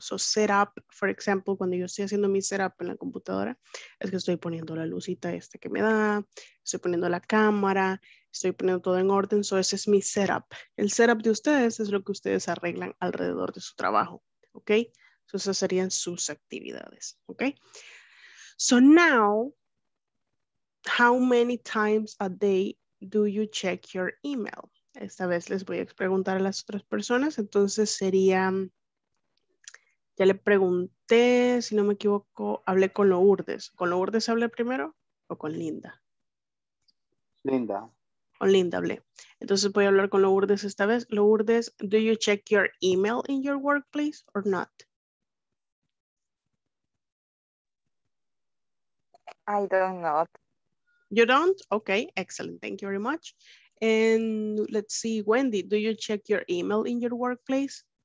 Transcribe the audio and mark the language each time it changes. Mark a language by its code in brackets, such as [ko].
[es] So set up, for example, cuando yo estoy haciendo mi setup en la computadora, es que estoy poniendo la lucita esta que me da, estoy poniendo la cámara, estoy poniendo todo en orden. So ese es mi setup. El setup de ustedes es lo que ustedes arreglan alrededor de su trabajo, ¿ok? So esas serían sus actividades, ¿ok? [en] So now, how many times a day do you check your email? [es] Esta vez les voy a preguntar a las otras personas. Entonces sería, ya le pregunté, si no me equivoco, hablé con Lourdes. ¿Con Lourdes hablé primero o con Linda? Linda. Con Linda hablé. Entonces voy a hablar con Lourdes esta vez. [en] Lourdes, do you check your email in your workplace or not? I don't know. You don't? Okay, excellent. Thank you very much. And let's see, Wendy, do you check your email in your workplace?